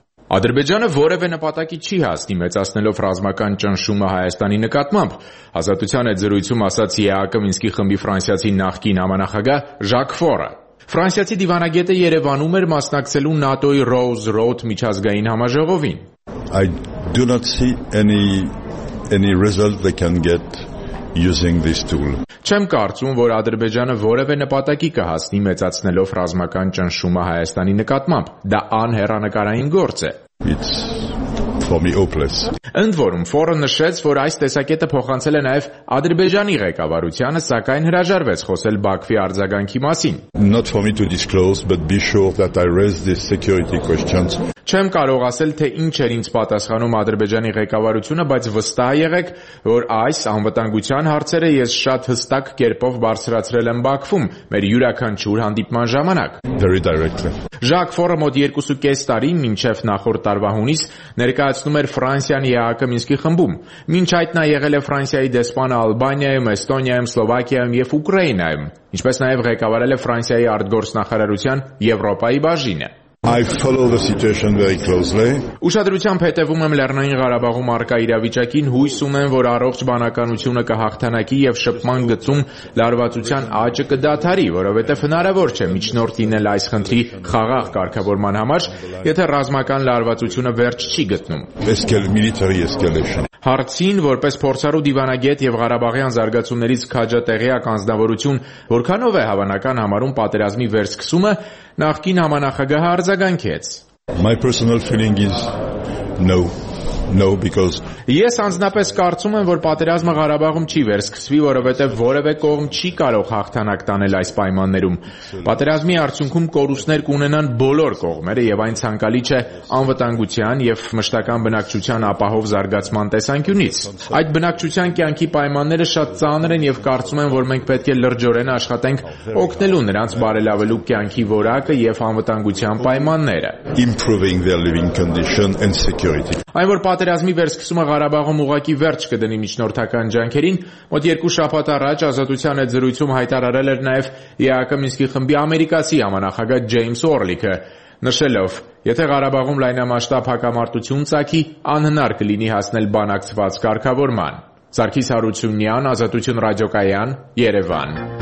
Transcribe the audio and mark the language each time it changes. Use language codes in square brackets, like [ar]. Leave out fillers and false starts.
[hy] Ադրբեջանը որևէ նպատակի չի հասնի, մեծացնելով ռազմական ճնշումը Հայաստանի նկատմամբ, Ազատության այդ զրույցում ասաց ԵԱԿ-ի Մինսկի խմբի ֆրանսիացի նախկին համանախագահ Ժակ Ֆորը։ Ֆրանսիացի դիվանագետը Երևանում էր մասնակցելու ՆԱՏՕ-ի Rose Road միջազգային համաժողովին։ [en] I do not see any result they can get using this tool. [hy] Չեմ կարծում, որ Ադրբեջանը որևէ նպատակի կհասնի մեծացնելով ռազմական ճնշումը Հայաստանի նկատմամբ։ Դա անհեռանկարային գործ է։ Ընդ որում, Ֆորը նշեց, որ այս տեսակետը փոխանցել է նաև Ադրբեջանի ղեկավարությանը, սակայն հրաժարվեց խոսել Բաքվի արձագանքի մասին։ [en] Not for me to disclose, but be sure that I raised these security questions. [hy] Չեմ կարող ասել, թե ինչ էր ինձ պատասխանում Ադրբեջանի ղեկավարությունը, բայց վստահ եղեք, որ այս անվտանգության հարցերը ես շատ հստակ կերպով բարձրացրել եմ Բաքվում մեր յուրաքանչյուր հանդիպման ժամանակ։ Ժակ Ֆորը մոտ 2.5 տարի մինչև նախորդ տարվա հունիս ներկայացնում էր Ֆրանսիան ԵԱԿ-ի Մինսկի խմբում։ Մինչ այդ նա եղել է Ֆրանսիայի դեսպանը Ալբանիայում, Էստոնիայում, Սլովակիայում և Ուկրաինայում, ինչպես նաև ղեկավարել է Ֆրանսիայի արտգործնախարարության Եվրոպայի բաժինը։ [en] I follow the situation very closely. [hy] Ուշադրությամբ հետևում եմ Լեռնային Ղարաբաղում առկա իրավիճակին, հույս ունեմ, որ առողջ բանականությունը կհաղթանակի եւ շփման գծում լարվածության աճը կդադարի, որովհետեւ հնարավոր չէ միջնորդ լինել այս խնդրի խաղաղ կարգավորման համար, եթե ռազմական լարվածությունը վերջ չի գտնում. [en] Eskel military escalation. [hy] Հարցին, որպես փորձառու դիվանագետ եւ Ղարաբաղյան զարգացումներից քաջատեղյակ անձնավորություն, որքանով է հավանական համարում պատերազմի վերսկսումը, նախկին համանախագահը արձագանքեց. [en] My personal feeling is no. No, because [hy] ես անձնապես կարծում եմ, որ պատերազմը Ղարաբաղում չի վերսկսվի, որովհետև որևէ կողմ չի կարող հաղթանակ տանել այս պայմաններում։ Պատերազմի արդյունքում կորուստներ կունենան բոլոր կողմերը եւ այն ցանկալի չէ անվտանգության եւ մշտական բնակչության ապահով զարգացման տեսանկյունից։ Այդ բնակչության կյանքի պայմանները շատ ծանր են եւ կարծում եմ, որ մենք պետք է լրջորեն աշխատենք օգնելու նրանց բարելավելու կյանքի որակը եւ անվտանգության պայմանները։ [en] Improving their living condition and security. [hy] Պատերազմի վերսկսումը Ղարաբաղում ուղակի վերջ կդնի միջնորդական ջանքերին։ Մոտ երկու շաբաթ առաջ ազատության այդ զրույցում հայտարարել էր նաև ԵԱԿ-ի Մինսկի խմբի ամերիկացի համանախագահ Ջեյմս Օրլիքը, նշելով, եթե Ղարաբաղում լայնամասշտաբ հակամարտություն ծագի, անհնար կլինի հասնել բանակցված կարգավորման։ Սարգիս Հարությունյան, Ազատություն ռադիոկայան, Երևան։